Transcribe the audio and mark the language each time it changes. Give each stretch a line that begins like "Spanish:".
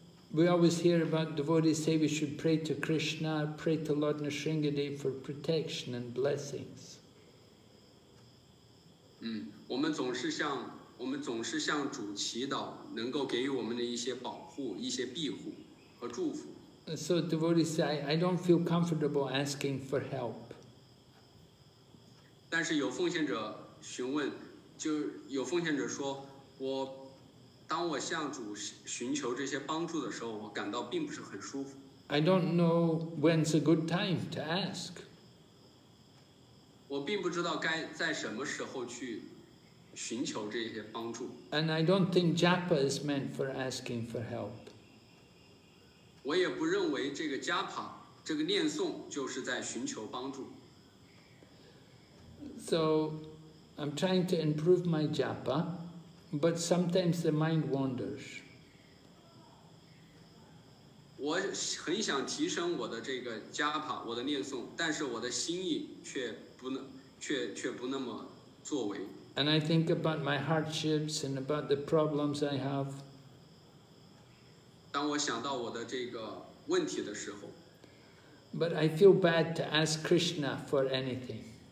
English: We always hear about devotees say we should pray to Krishna, pray to Lord Nrisimhadev for protection and blessings.
Chinese: 我们总是向主祈祷，能够给予我们的一些保护、一些庇护和祝福。
English: So devotees say, I don't feel comfortable asking for help.
Chinese: 但是有奉献者询问，就有奉献者说，我。当我向主寻求这些帮助的时候，我感到并不是很舒服。
English: I don't know when's a good time to ask.
Chinese: 我并不知道该在什么时候去寻求这些帮助。
English: And I don't think japa is meant for asking for help.
Chinese: 我也不认为这个 japa 这个念诵就是在寻求帮助。
English: So I'm trying to improve my japa. But sometimes the mind wanders.
Chinese: 我很想提升我的这个加帕，我的念诵，但是我的心意却不那么作为。
English: And I think about my hardships and about the problems I have.
Chinese: 当我想到我的这个问题的时候。
English: But I feel bad to ask Krishna for anything.